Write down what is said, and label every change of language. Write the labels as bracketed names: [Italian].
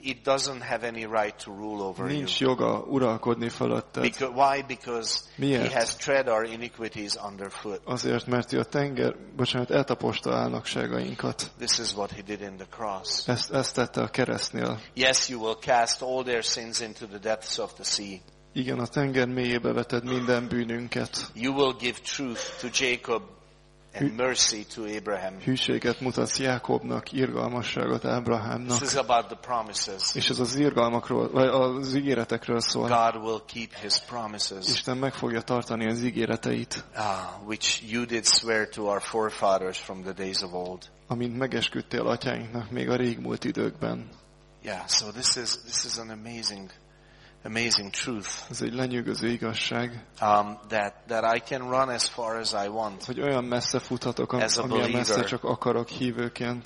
[English] It doesn't have any right to rule over you. [Hungarian] Nincs joga uralkodni fölötted. [English] Why? Because [Hungarian] miért? [English] He has tread our iniquities underfoot. [Hungarian] Azért, mert ő a tenger, bocsánat, eltaposta álnokságainkat. [English] This is what he did in the cross. [Hungarian] Ezt tette a keresztnél. [English] Yes, you will cast all their sins into the depths of the sea. [Hungarian] Igen, a tenger mélyébe veted minden bűnünket. [English] You will give truth to Jacob and mercy to Abraham. [Hungarian] Hűséget mutatsz Jákobnak, irgalmasságot Ábrahámnak. [English] This is about the promises. [Hungarian] És ez az irgalmakról, vagy az ígéretekről szól. [English] God will keep his promises. [Hungarian] Isten meg fogja tartani az ígéreteit. [English] Which you did swear to our forefathers from the days of old. [Hungarian] Amint megesküdtél atyáinknak még a régmúlt időkben. [English] Yeah, so this is an amazing truth. [Hungarian] Ez egy lenyűgöző igazság. [English] That I can run as far as I want. [Hungarian] Hogy olyan messze futhatok, amilyen messze csak akarok hívőként.